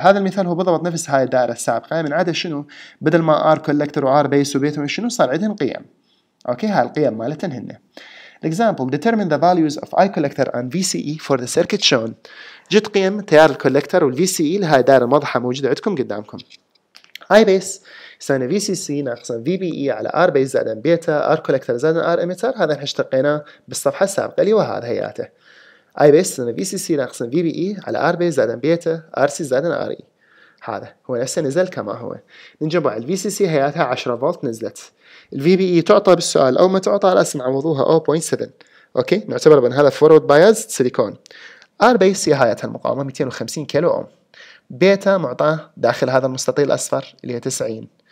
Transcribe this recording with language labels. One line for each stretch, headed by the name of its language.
Arabic: هذا المثال هو بالضبط نفس هاي الدائره السابقه، من عاده شنو؟ بدل ما ار كولكتر وار بيس وبيت شنو صار عندهم قيم. اوكي، هاي القيم مالتهم هن.
English: Example: Determine the values of I collector and VCE for the circuit shown.
Arabic: جت قيم تيار الكولكتر والVCE لهاي الدائرة الواضحة موجودة عندكم قدامكم. I base يساوي VCC ناقص VBE على R base زائد بيتا، R collector زائد R emitter. هذا نحن اشتقيناه بالصفحة السابقة اللي هو هذا هياته. I base يساوي VCC ناقص VBE على R base زائد بيتا، RC زائد RE. هذا هو نفسه نزل كما هو. نجي نبع VCC هياتها 10 فولت نزلت. VBE تعطى بالسؤال أو ما تعطى على اسم عوضوها 0.7. أوكي، نعتبر بأن هذا forward bias سيليكون. R base هي هيات المقاومة 250 كيلو أوم. بيتا معطى داخل هذا المستطيل الأصفر اللي هي 90.